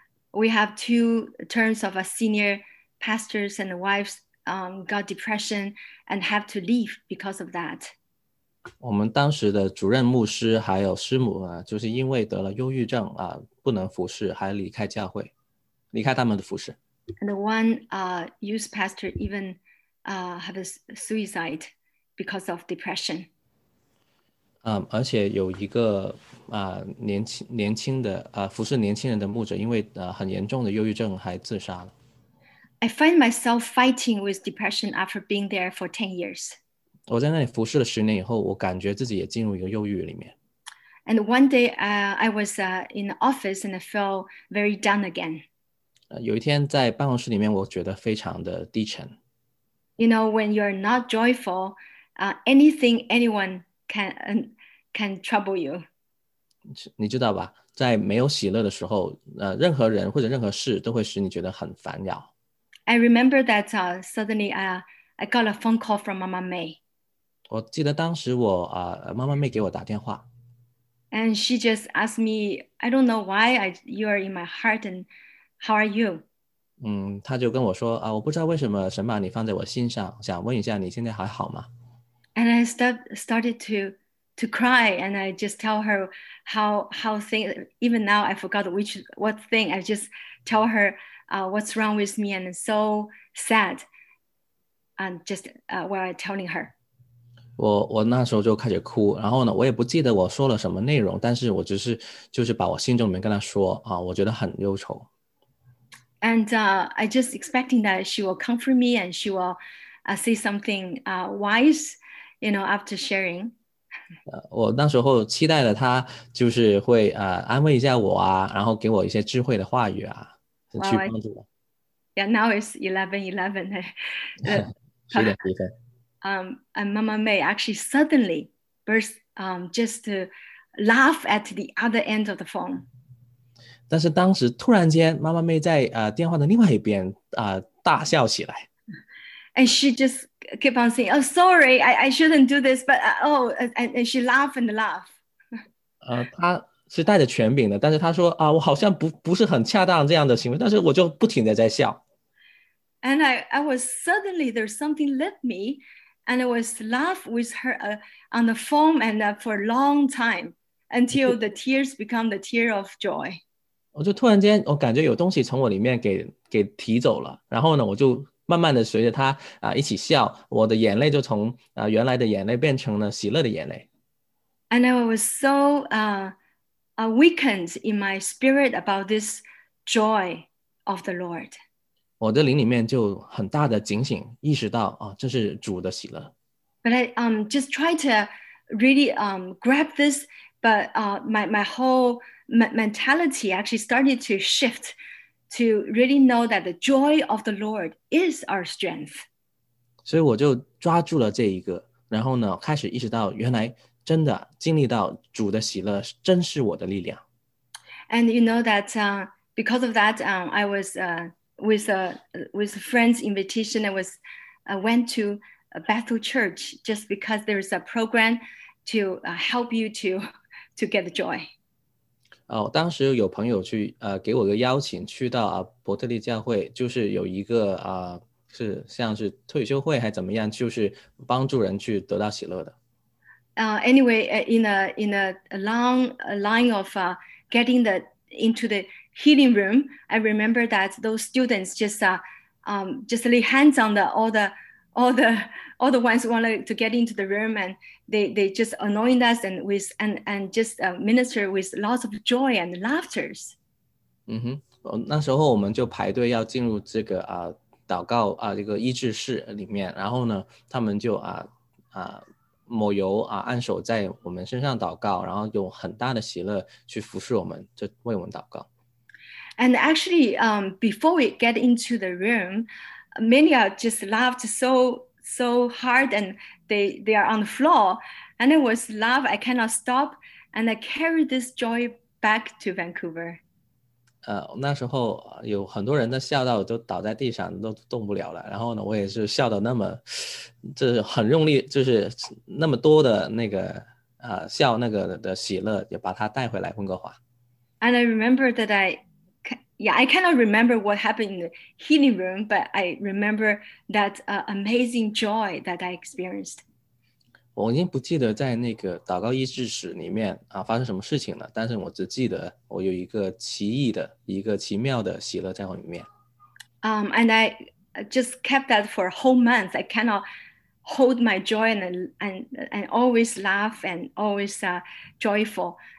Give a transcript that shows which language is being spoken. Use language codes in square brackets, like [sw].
[en] We have two terms of a senior pastors and wives. Got depression and have to leave because of that. [zh] 我们当时的主任牧师还有师母就是因为得了忧郁症不能服侍，还离开教会，离开他们的服侍。 [en] And one youth pastor even have a suicide because of depression. [zh] 而且有一个年轻的服侍年轻人的牧者，因为很严重的忧郁症还自杀了。 [en] I find myself fighting with depression after being there for 10 years. [zh] 我在那里服侍了十年以后，我感觉自己也进入一个忧郁里面。 [en] And one day, I was in the office and I felt very down again. [zh] 有一天在办公室里面，我觉得非常的低沉。 [en] You know, when you're not joyful, anything, anyone can trouble you. [zh] 你知道吧，在没有喜乐的时候，任何人或者任何事都会使你觉得很烦扰。 [en] I remember that suddenly I got a phone call from Mama May. [zh] 我记得当时我Mama May 给我打电话。 [en] And she just asked me, I don't know why you are in my heart and how are you? [zh] 她就跟我说我不知道为什么神把你放在我心上，想问一下你现在还好吗？ [en] And I started to cry and I just tell her how things, even now I forgot what thing, I just tell her,what's wrong with me, and so sad. And just while telling her, [zh] 我那时候就开始哭，然后呢，我也不记得我说了什么内容，但是我就是把我心中里面跟她说我觉得很忧愁。 [en] And I just expecting that she will comfort me and she will say something wise, you know, after sharing. [zh] 我那时候期待的她就是会安慰一下我然后给我一些智慧的话语 [en] Wow, yeah, now it's 11:11. 11:11. And Mama May actually suddenly burst just to laugh at the other end of the phone. [zh] 但是当时突然间，妈妈妹在电话的另外一边大笑起来。 [en] And she just kept on saying, "Oh, sorry, I shouldn't do this," but and she laughed and laughed. [zh] 是带着权柄的，但是他说我好像不是很恰当这样的行为，但是我就不停的在笑。 [en] And I was suddenly, there's something left me. And I was laughing with her on the phone and for a long time until the tears become the tear of joy. [zh] 我就突然间我感觉有东西从我里面 给提走了，然后呢我就慢慢的随着她、一起笑，我的眼泪就从、原来的眼泪变成了喜乐的眼泪。 [en] And I was so awakened in my spirit about this joy of the Lord. [zh] 我的灵里面就很大的警醒意识到、这是主的喜乐。 [en] But I just try to really grab this, but my whole mentality actually started to shift to really know that the joy of the Lord is our strength. [zh] 所以我就抓住了这一个，然后呢，开始意识到原来真的经历到主的喜乐真是我的力量。 [en] And you know that because of that, I was with a friend's invitation, I was went to a Bethel church just because there is a program to help you to get the joy. [zh] 哦、当时有朋友去、给我个邀请去到、伯特利教会，就是有一个、是像是退休会还怎么样，就是帮助人去得到喜乐的。 [en] Anyway, in a long line of getting into the healing room, I remember that those students just lay hands on all the ones who wanted to get into the room, and they just anoint us and just minister with lots of joy and laughters. [zh] 嗯哼，那时候我们就排队要进入这个啊、祷告啊、这个医治室里面，然后呢，他们就啊啊抹油啊按手在我们身上祷告，然后用很大的喜乐去服侍我们，就为我们祷告。 [en] And actually, before we get into the room, many are just laughed so hard, and they are on the floor, and it was love. I cannot stop, and I carry this joy back to Vancouver. [zh] 那时候有很多人都笑到都倒在地上都动不了了，然后呢我也是笑到那么就是很用力，就是那么多的那个笑那个的喜乐也把它带回来温哥华。 [en] And I remember that I cannot remember what happened in the healing room, but I remember that amazing joy that I experienced. [zh] 我已经不记得在那个祷告医治室里面、发生什么事情了，但是我只记得我有一个奇异的、一个奇妙的喜乐在我里面。 [en] And I just kept that for a whole month. I cannot hold my joy and always laugh and always joyful.